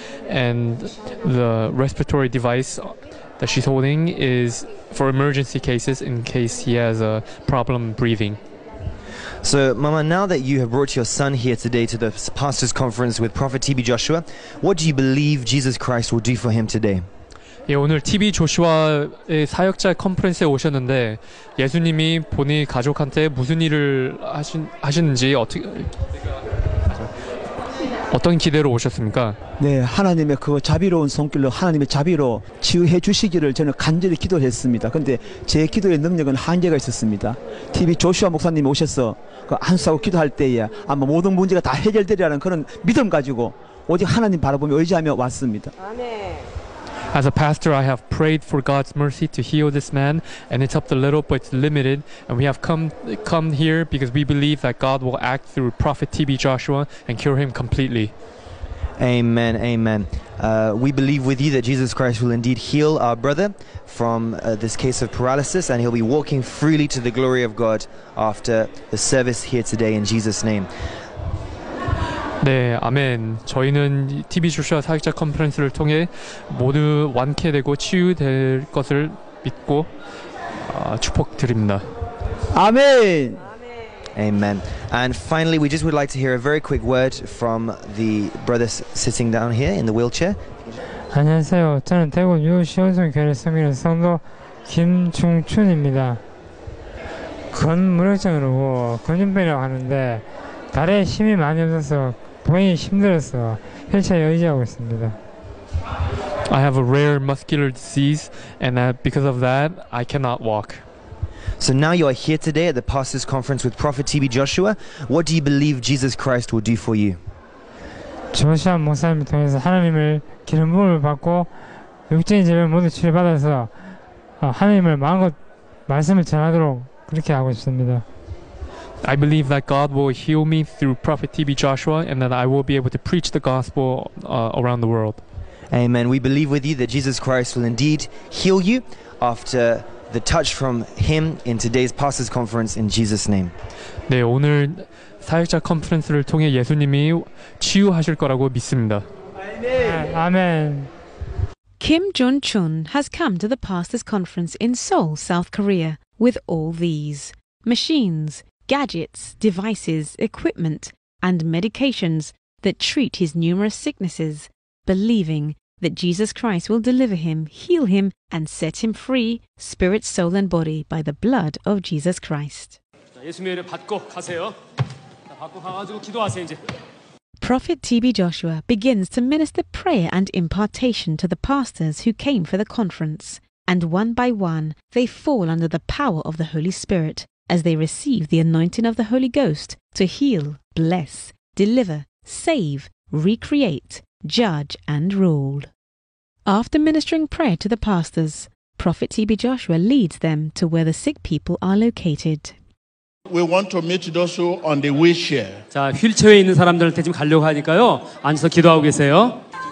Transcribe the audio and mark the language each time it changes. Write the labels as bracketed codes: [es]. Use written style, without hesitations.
[en] And the respiratory device that she's holding is for emergency cases in case he has a problem breathing. So, Mama, now that you have brought your son here today to the pastor's conference with Prophet T.B. Joshua, what do you believe Jesus Christ will do for him today? [ko] 예, 오늘 T.B. Joshua의 사역자 컨퍼런스에 오셨는데 예수님이 본인 가족한테 무슨 일을 하시는지 어떤 기대로 오셨습니까? 네, 하나님의 그 자비로운 손길로 하나님의 자비로 치유해 주시기를 저는 간절히 기도했습니다. 그런데 제 기도의 능력은 한계가 있었습니다. TV 조슈아 목사님이 오셔서 그 안수하고 기도할 때에 아마 모든 문제가 다 해결되리라는 그런 믿음 가지고 오직 하나님 바라보며 의지하며 왔습니다. 아멘. [en] As a pastor, I have prayed for God's mercy to heal this man and it's up to little but it's limited and we have come here because we believe that God will act through Prophet TB Joshua and cure him completely. Amen, amen. We believe with you that Jesus Christ will indeed heal our brother from this case of paralysis and he'll be walking freely to the glory of God after the service here today in Jesus' name. [ko] 네, 아멘. 저희는 TB 조슈아 사역자 컨퍼런스를 통해 모두 완쾌되고 치유될 것을 믿고 축복드립니다. 아멘! [en] Amen. And finally, we just would like to hear a very quick word from the brother sitting down here in the wheelchair. [ko] 안녕하세요. 저는 대구 유시원성 교회를 섬기는 성도 김중춘입니다. 근무력증으로 근육병이라고 하는데 다리에 힘이 많이 없어서 본인이 힘들어서 휠체어 의지하고 있습니다. [en] I have a rare muscular disease, and that because of that, I cannot walk. So now you are here today at the Pastors' Conference with Prophet TB Joshua. What do you believe Jesus Christ will do for you? [ko] 조시아 목사님을 통해서 하나님을 기름 부음을 받고 육적인 질병 모두 치료받아서 하나님을 마음껏 말씀을 전하도록 그렇게 하고 싶습니다. [en] I believe that God will heal me through Prophet TB Joshua, and that I will be able to preach the gospel around the world. Amen. We believe with you that Jesus Christ will indeed heal you after the touch from Him in today's pastors' conference in Jesus' name. [ko] 네, 오늘 사역자 컨퍼런스를 통해 예수님이 치유하실 거라고 믿습니다. [en] Amen. Kim Jong-chun has come to the pastors' conference in Seoul, South Korea, with all these machines, gadgets, devices, equipment, and medications that treat his numerous sicknesses. Believing that Jesus Christ will deliver him, heal him, and set him free, spirit, soul, and body, by the blood of Jesus Christ. [ko] 자, 예수님의 이름 받고 가세요. 자, 받고 가가지고 기도하세요 이제. [en] Prophet TB Joshua begins to minister prayer and impartation to the pastors who came for the conference, and one by one they fall under the power of the Holy Spirit as they receive the anointing of the Holy Ghost to heal, bless, deliver, save, recreate, judge and rule. After ministering prayer to the pastors, Prophet TB Joshua leads them to where the sick people are located. We want to meet those who on the wheelchair. [ko] 자, 휠체어에 있는 사람들한테 지금 가려고 하니까요. 앉아서 기도하고 계세요.